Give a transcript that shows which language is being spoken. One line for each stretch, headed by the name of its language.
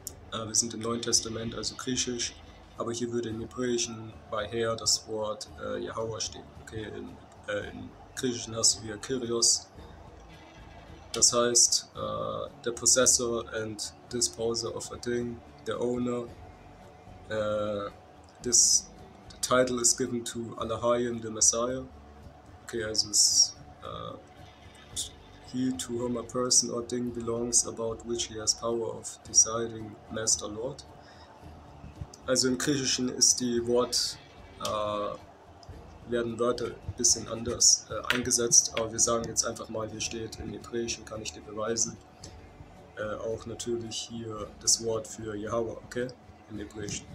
German: wir sind im Neuen Testament, also griechisch, aber hier würde im Hebräischen bei Herr das Wort Jehova stehen, okay, im Griechischen hast du hier Kyrios, das heißt,
English: the possessor and disposer of a thing, the owner, this title is given to Alahayim, the Messiah.
German: Okay, also es ist
English: he to whom a person or thing belongs, about which he has power of deciding, Master Lord.
German: Also im Griechischen ist die Wort, werden Wörter ein bisschen anders eingesetzt, aber wir sagen jetzt einfach mal, hier steht im Hebräischen, kann ich dir beweisen, auch natürlich hier das Wort für Jehova, okay? In Hebräischen.